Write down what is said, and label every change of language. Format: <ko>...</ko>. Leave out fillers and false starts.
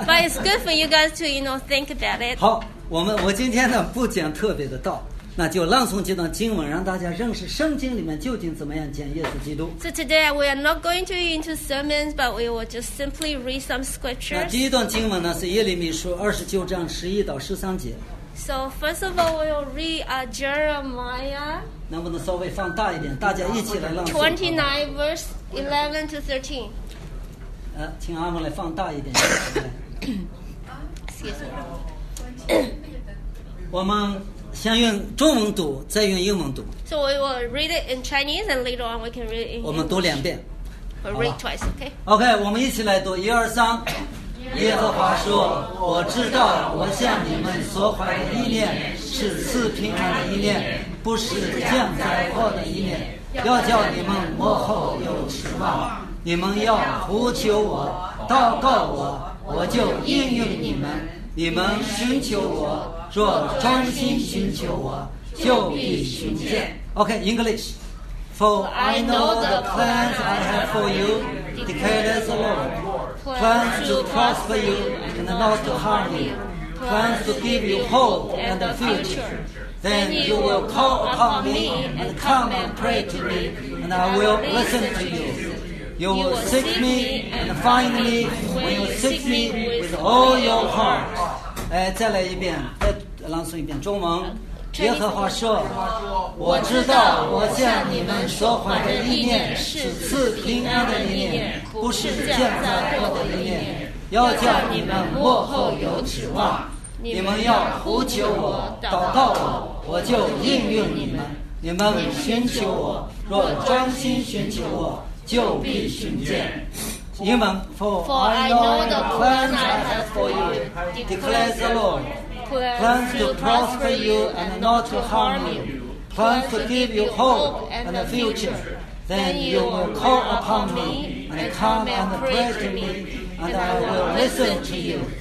<en>But it's good for you guys to, you know, think about it.</en> <zh>好。我今天呢不讲特别的道，那就朗诵这段经文，让大家认识圣经里面究竟怎么样讲耶稣基督。</zh> <en>So today we are not going to into sermons, but we will just simply read some scriptures.</en> <zh>那第一段经文呢是耶利米书29:11-13.</zh> <en>So first of all, we will read Jeremiah.</en> <zh>能不能稍微放大一点，大家一起来朗诵。</zh> <en>29:11-13.</en> <zh>请阿蒙来放大一点。</zh> <en>Excuse me.</en> <zh>我们先用中文读，再用英文读。</zh> <en>So we will read it in Chinese, and later on we can read it in English.</en> <zh>我们读两遍。</zh> <en>We'll read twice, okay?</en> <zh>Okay, 我们一起来读，一二三。耶和华说：“我知道我向你们所怀的意念是赐平安的意念，不是降灾祸的意念，要叫你们末后有指望。你们要呼求我，祷告我，我就应允你们。” 你们寻求我，若专心寻求我，就必寻见。</zh> <en>Okay, English. For I know the plans I have for you, declares the Lord. Plans to prosper you and not to harm you. Plans to give you hope and a future. Then you will call upon me and come and pray to me, and I will listen to you. You will seek me and find me when you seek me with all your heart.</en> <zh>哎，再来一遍，再朗诵一遍中文。耶和华说：“ 我知道我向你们所怀的意念是赐平安的意念，不是降灾祸的意念，要叫你们末后有指望。你们要呼求我，祷告我，我就应允你们。你们寻求我，若专心寻求我。” 就必寻见。英文</zh> <en>For I know the plans I have for you, declares the Lord. Plans to prosper you and not to harm you. Plans to give you hope and a future. Then you will call upon me and come and pray to me, and I will listen to you.</en>